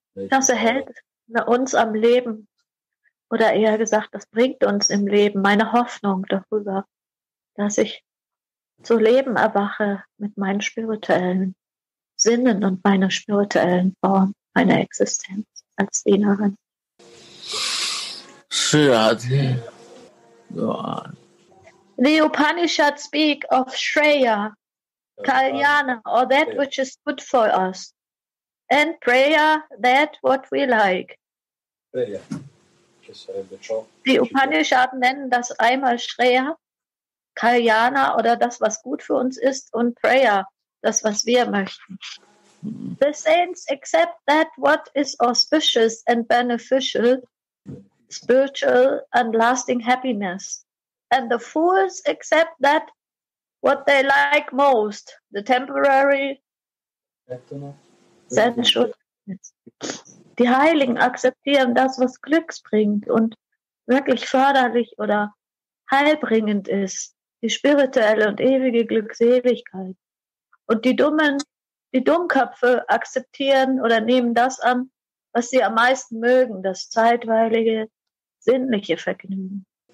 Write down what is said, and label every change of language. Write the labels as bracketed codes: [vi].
[de] Das erhält uns am Leben, oder eher gesagt, das bringt uns im Leben, meine Hoffnung darüber, dass ich zu Leben erwache mit meinen spirituellen Sinnen und meiner spirituellen Form, meiner Existenz als Dienerin. [en] Sriradhi, go on. The Upanishads speak of Shreya, Kalyana, or that which is good for us, and prayer, that what we like. [de] Die Upanishaden nennen das einmal Shreya, Kalyana, oder das, was gut für uns ist, und prayer, das, was wir möchten. [en] The saints accept that what is auspicious and beneficial, spiritual and lasting happiness. And the fools accept that what they like most, the temporary, sensual. [de] Die Heiligen akzeptieren das, was Glücks bringt und wirklich förderlich oder heilbringend ist, die spirituelle und ewige Glückseligkeit. Und die Dummköpfe akzeptieren oder nehmen das an, was sie am meisten mögen, das zeitweilige, sinnliche Vergnügen.